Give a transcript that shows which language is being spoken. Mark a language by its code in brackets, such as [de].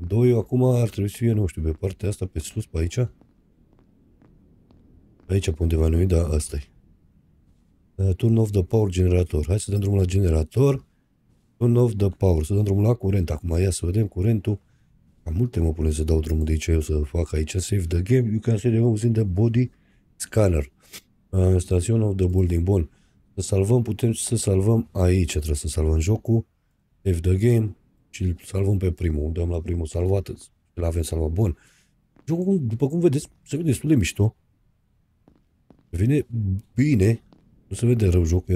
[ro] 2 acum ar trebui să fie, nu știu, pe partea asta, pe sus, pe aici. Aici, pe undeva nu-i, da, asta-i. [en] Turn off the power generator. [ro] Hai să dăm drumul la generator. [en] Turn off the power. [ro] Să dăm drumul la curent. Acum, ia să vedem curentul. Cam multe mă pune să dau drumul de aici, eu să fac aici. [en] Save the game. You can see the home the body scanner. Station of the building. [ro] Bun. Să salvăm, putem să salvăm aici. Trebuie să salvăm jocul. [en] Save the game. [ro] Și îl salvăm pe primul. Dăm la primul salvat. Îl avem salvat. Bun. Jocul, după cum vedeți, se vede destul de mișto. Vine bine. Nu se vede rău jocul.